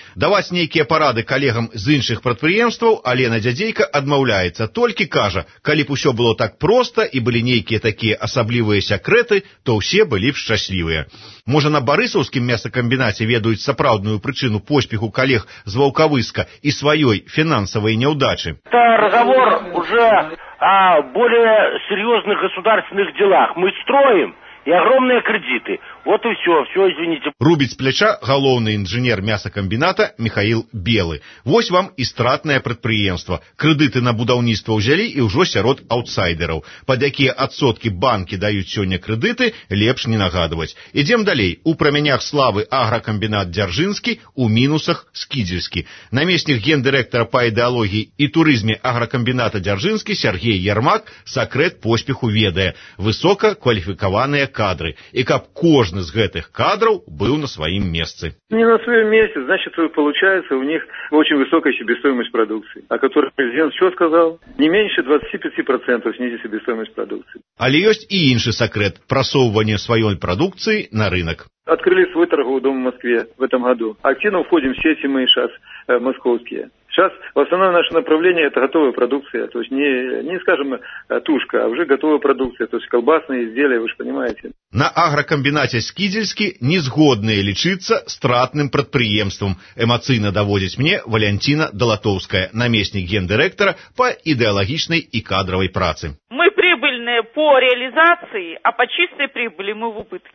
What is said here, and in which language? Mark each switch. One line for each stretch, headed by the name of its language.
Belarusian: Даваць нейкія парады калегам з іншых прадпрыемстваў Алена Дзядзейка адмаўляецца, толькі кажа, калі б усё было так проста і былі нейкія такія асаблівыя сакрэты, то ўсе былі б шчаслівыя. Можа, на барысаўскім мясакамбінаце ведаюць сапраўдную прычыну поспеху калег з Ваўкавыска і сваёй фінансавай няўдачы.
Russian: Та разговор уже о более серьёзных государственных делах. Мы строим и огромные кредиты. Вот и все, все, извините.
Belarusian: Рубіць з пляча галоўны інжынер мясакамбіната Міхаіл Белы. Вось вам і стратнае прадпрыемства. Крэдыты на будаўніцтва ўзялі і ўжо сярод аўтсайдэраў. Пад якія адсоткі банкі даюць сёння крэдыты, лепш не нагадваць. Ідзем далей. У прамянях славы агракамбінат Дзяржынскі, у мінусах Скідзельскі. Намеснік гендырэктара па ідэалогіі і турызме агракамбіната Дзяржынскі Сергей Ярмак сакрэт поспеху ведае. Высока кваліфікаваныя кадры. І каб кожны з гэтых кадраў быў на сваім месцы. Не на сваім месцы, значыць,
Russian: получается, у них очень высокая себестоимость продукции, о которой президент что сказал? Не меньше 25% снизить себестоимость продукции.
Belarusian: Але ёсць і іншы сакрэт прасоўвання сваёй прадукцыі на рынак.
Russian: Открыли свой торговый дом в Москве в этом году. Активно входим в сети мы сейчас московские. Сейчас в основном наше направление это готовая продукция, то есть не скажем тушка, а уже готовая продукция, то есть колбасные изделия, вы же понимаете.
Belarusian: На агракамбінаце Скідзельскі не згодныя лічыцца стратным прадпрыемствам. Эмацыйна даводзіць мне Валянціна Далатоўская, намеснік гендырэктара па ідэалагічнай і кадравай працы. Мы прибыльныя по рэалізацыі, а па чыстай прыбылі мы ў убытку.